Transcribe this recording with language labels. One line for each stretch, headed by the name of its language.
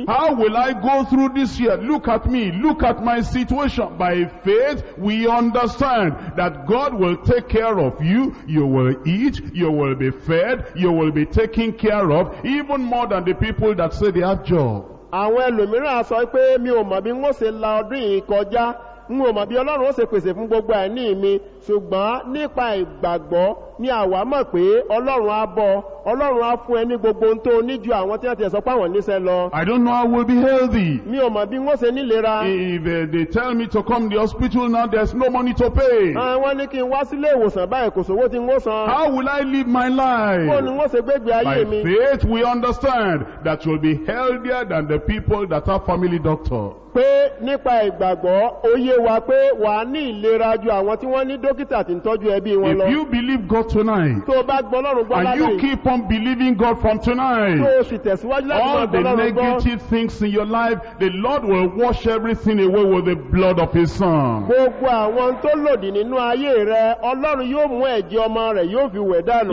English: How will I go through this year? Look at me, look at my situation. By faith we understand that God will take care of you. You will eat, you will be fed, you will be taken care of, even more than the people that say they have job.
Yoruba: Àwọn ẹlòmíràn sọ pé mi ò mọ̀ bí wọ́n ṣe la ọdún yìí kọjá. Mo mọ̀ bí Ọlọ́run ó ṣe pèsè fún gbogbo àìní mi, ṣùgbọ́n nípa ìgbàgbọ́ ni àwa mọ̀ pé Ọlọ́run á bọ̀, Ọlọ́run á fún ẹni gbogbo ohun tó ní ju àwọn tí wọ́n ti sọ pé àwọn níṣẹ́ lọ.
English: I don't know how we'll be healthy.
Yoruba: Mi ò mọ̀ bí wọ́n ṣe nílera.
English: If they tell me to come to the hospital now, there's no money to pay.
Yoruba: Àwọn ní kí n wá sílé ìwòsàn báyìí, kò sówó tí n ó san.
English: How will I live my life?
Yoruba: Bó ni wọ́n ṣe gbégbé ayé mi?
English: By faith we understand that you'll be healthier than the people that are family doctor.
Yoruba: Pé nípa ìgbàgbọ́ òye wa pé wà ní ìlera ju àwọn tí wọ́n ní dókítà tí ń tọ́jú ẹbí wọn lọ.
English: If you believe God tonight,
Yoruba: tó bá gbọ́ Ọlọ́run gbọ́ lálẹ́,
English: keep on believing God from tonight. All the negative things in your life, the Lord will wash everything away with the blood of His Son.
Yoruba: Gbogbo àwọn tó lòdì nínú ayé rẹ, Ọlọ́run yóò mú ẹ̀jẹ̀ ọmọ rẹ yóò fi wẹ̀ dànù.